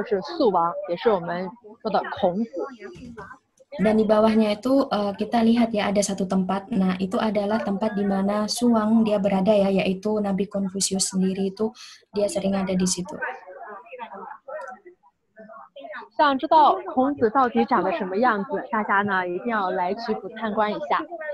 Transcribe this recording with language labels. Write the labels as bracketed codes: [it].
[zh] 中间您看到帝王的形象，那他就是肃王，也是我们说的孔子。 [id] Dan di bawahnya itu kita lihat ya ada satu tempat. Nah, itu adalah tempat di mana Suwang dia berada ya, yaitu Nabi Konfusius sendiri itu dia sering ada di situ. [zh] 想知道孔子到底长得什么样子，大家呢一定要来曲阜参观一下。